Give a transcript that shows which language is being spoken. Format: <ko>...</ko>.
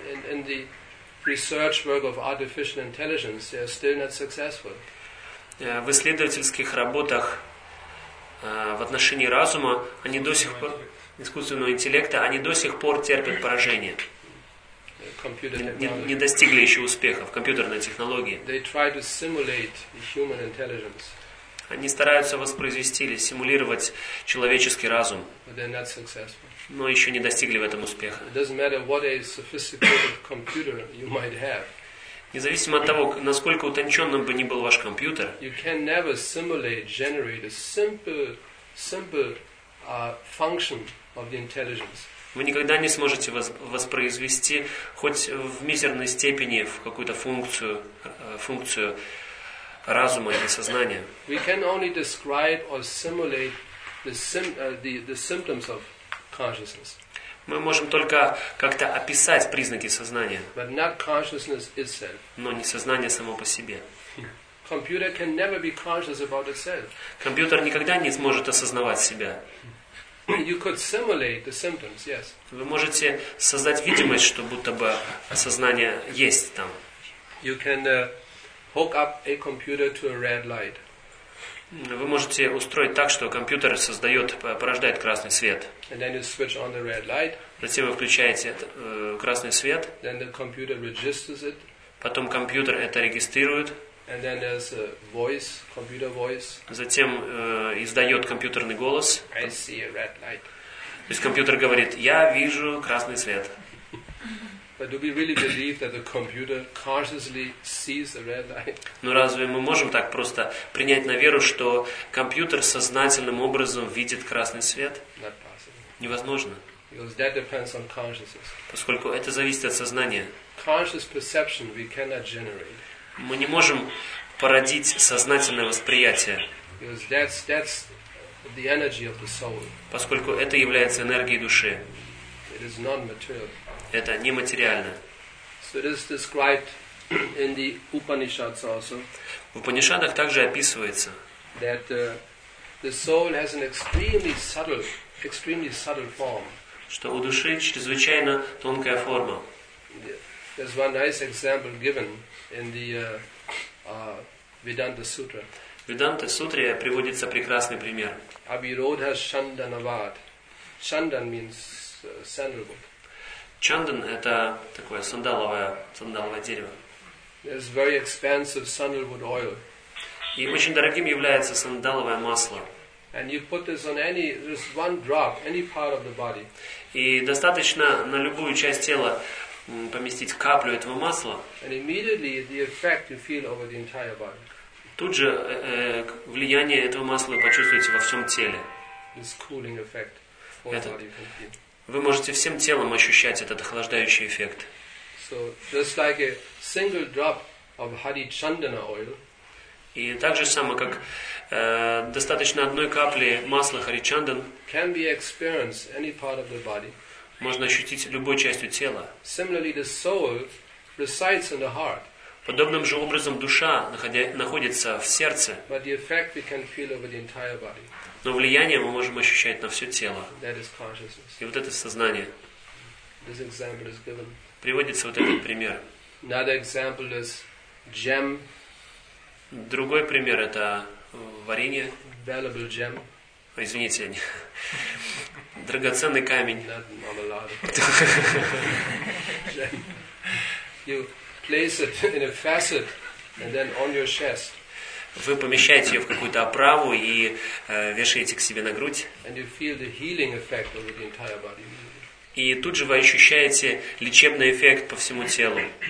<en>In the research work of artificial intelligence, they are still not successful.</en> <ru>В исследовательских работах в отношении разума они до сих пор искусственного интеллекта они до сих пор терпят поражение. Не достигли еще успеха в компьютерной технологии.</ru> <en>They try to simulate human intelligence.</en> <ru>Они стараются воспроизвести или симулировать человеческий разум.</ru> <en>But they're not successful.</en> <ru>Но еще не достигли в этом успеха.</ru> <en>It doesn't matter what a sophisticated computer you might have.</en> <ru>Независимо от того, насколько утонченным бы ни был ваш компьютер,</ru> <en>you can never simulate, generate a simple function of the intelligence.</en> <ru>Вы никогда не сможете воспроизвести хоть в мизерной степени в какую-то функцию разума или сознания.</ru> <en>We can only describe or simulate the symptoms of consciousness.</en> <ru>Мы можем только как-то описать признаки сознания.</ru> <en>But not consciousness itself.</en> <ru>Но не сознание само по себе.</ru> <en>Computer can never be conscious about itself.</en> <ru>Компьютер никогда не сможет осознавать себя.</ru> <en>You could simulate the symptoms, yes.</en> <ru>Вы можете создать видимость, что будто бы сознание есть там.</ru> <en>You can hook up a computer to a red light.</en> <ru>Вы можете устроить так, что компьютер порождает красный свет.</ru> <en>And then you switch on the red light.</en> <ru>Затем вы включаете красный свет.</ru> <en>Then the computer registers it.</en> <ru>Потом компьютер это регистрирует.</ru> <en>And then there's a voice, computer voice.</en> <ru>Затем издает компьютерный голос.</ru> <en>I see a red light.</en> <ru>То есть компьютер говорит, я вижу красный свет.</ru> <en>But do we really believe that the computer consciously sees the red light?</en> <ru>Но разве мы можем так просто принять на веру, что компьютер сознательным образом видит красный свет?</ru> <en>Not possible.</en> <ru>Невозможно.</ru> <en>Because that depends on consciousness.</en> <ru>Поскольку это зависит от сознания.</ru> <en>Conscious perception we cannot generate.</en> <ru>Мы не можем породить сознательное восприятие.</ru> <en>Because that's the energy of the soul.</en> <ru>Поскольку это является энергией души.</ru> <en>It is non-material.</en> <ru>Это нематериально.</ru> <en>So it is described in the Upanishads also.</en> <ru>В Упанишадах также описывается,</ru> <en>that the soul has an extremely subtle form.</en> <ru>Что у души чрезвычайно тонкая форма.</ru> <en>There's one nice example given in the Vedanta Sutra.</en> <ru>В Веданта Сутре приводится прекрасный пример.</ru> <sa>Abhirodha Chandanavad.</sa> <en>Chandan means sandalwood.</en> <ru>Чандан – это такое сандаловое дерево.</ru> <en>It's very expensive sandalwood oil.</en> <ru>И очень дорогим является сандаловое масло.</ru> <en>And you put this on any, just one drop, any part of the body.</en> <ru>И достаточно на любую часть тела поместить каплю этого масла.</ru> <en>And immediately the effect you feel over the entire body.</en> <ru>Тут же влияние этого масла почувствуете во всем теле.</ru> <en>This cooling effect for the body can feel.</en> <ru>Вы можете всем телом ощущать этот охлаждающий эффект.</ru> <en>So, just like a single drop of Hari Chandana oil,</en> <ru>И так же самое, как достаточно одной капли масла харичандан,</ru> <en>can be experienced any part of the body.</en> <ru>Можно ощутить любой частью тела.</ru> <en>Similarly, the soul resides in the heart.</en> <ru>Подобным же образом душа находится в сердце.</ru> <en>But the effect we can feel over the entire body.</en> <ru>Но влияние мы можем ощущать на все тело.</ru> <en>That is consciousness.</en> <ru>И вот это сознание.</ru> <en>This example is given.</en> <ru>Приводится вот этот пример.</ru> <en>Another example is gem.</en> <ru>Другой пример – это варенье.</ru> <en>Valuable gem.</en> <ru>Извините, не. Драгоценный камень.</ru> <en>Not marmalade. Gem. You place it in a facet and then on your chest.</en> <ru>Вы помещаете ее в какую-то оправу и вешаете к себе на грудь.</ru> <en>And you feel the healing effect over the entire body.</en> <ru>И тут же вы ощущаете лечебный эффект по всему телу.</ru>